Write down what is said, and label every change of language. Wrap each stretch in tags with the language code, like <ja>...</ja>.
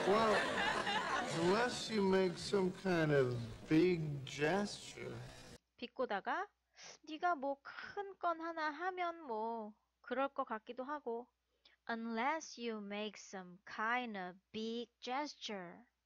<en>Well, unless you make some kind of big gesture.</en> <ko>비꼬다가 네가 뭐큰건 하나 하면 뭐 그럴 것 같기도 하고.</ko> <en>Unless you make some kind of big gesture.</en>